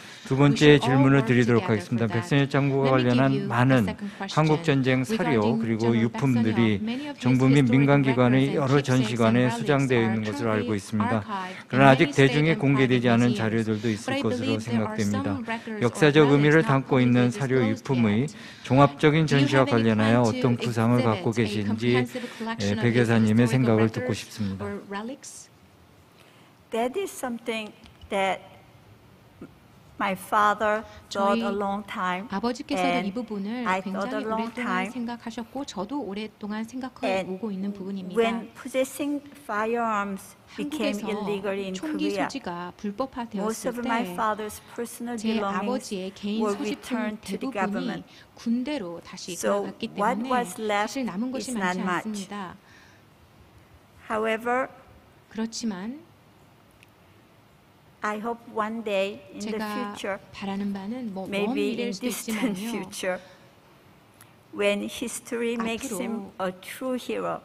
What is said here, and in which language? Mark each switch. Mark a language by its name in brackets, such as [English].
[Korean] 두 번째 질문을 드리도록 하겠습니다. 백선엽 장군과 관련한 많은 한국전쟁 사료 그리고 유품들이 정부 및 민간기관의 여러 전시관에 수장되어 있는 것으로 알고 있습니다. 그러나 아직 대중에 공개되지 않은 자료들도 있을 것으로 생각됩니다. 역사적 의미를 담고 있는 사료 유품의 종합적인 전시와 관련하여 어떤 구상을 갖고 계신지 백 여사님의 생각을 듣고 싶습니다. [English] That is something that My father thought a long time. [Korean] 아버지께서는 이 부분을 굉장히 오랫동안 생각하셨고 저도 오랫동안 생각하고 있는 부분입니다. [English] When possessing firearms became illegal in Korea, [Korean] 불법화되었을 때 [English] my father's personal belongings were returned to the government. [Korean] 군대로 다시 돌아갔기 때문에 사실 남은 것이 많지 않습니다. [English] However, [Korean] 그렇지만 [English] I hope one day in the future, [Korean] 바라는 바는 뭐 [English] maybe in distant future, when history makes him a true hero,